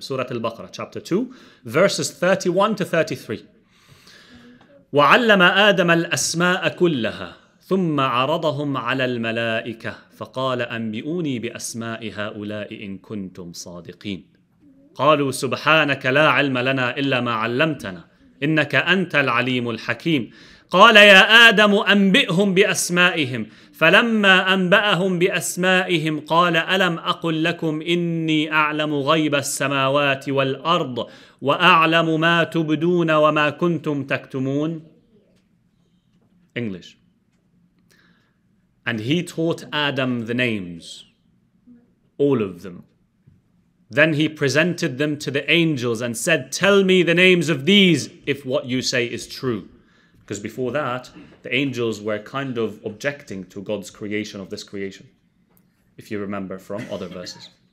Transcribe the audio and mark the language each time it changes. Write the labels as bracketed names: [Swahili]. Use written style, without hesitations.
[English] سورة البقرة, chapter 2, verses 31-33. [Arabic] وعلم آدم الأسماء كلها ثم عرضهم على الملائكة فقال أنبئوني بأسماء هؤلاء إن كنتم صادقين. قالوا سبحانك لا علم لنا إلا ما علمتنا إنك أنت العليم الحكيم. قال يا آدم أنبئهم بأسمائهم فلما أنبأهم بأسمائهم قال ألم أقل لكم إني أعلم غيب السماوات والأرض وأعلم ما تبدون وما كنتم تكتمون. [English] English. And he taught Adam the names, all of them. Then he presented them to the angels and said, tell me the names of these if what you say is true. Because before that, the angels were kind of objecting to God's creation of this creation, if you remember from other verses.